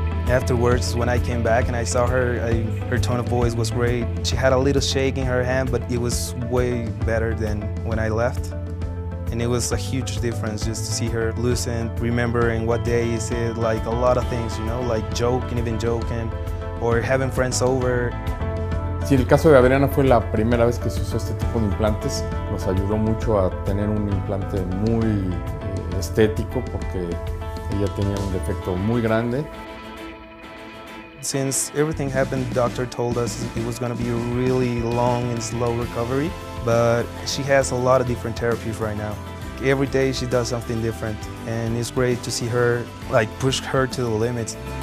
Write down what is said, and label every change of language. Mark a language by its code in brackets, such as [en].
[en] Afterwards, when I came back and I saw her, her tone of voice was great. She had a little shake in her hand, but it was way better than when I left. And it was a huge difference just to see her loosen, remembering what day is it, like a lot of things, you know, like joking, even joking, or having friends over. [es] Sí, el caso de Adriana fue la primera vez que se usó este tipo de implantes. Nos ayudó mucho a tener un implante muy estético porque ella tenía un defecto muy grande. [en] Since everything happened, the doctor told us it was going to be a really long and slow recovery, but she has a lot of different therapies right now. Every day she does something different, and it's great to see her, like, push her to the limits.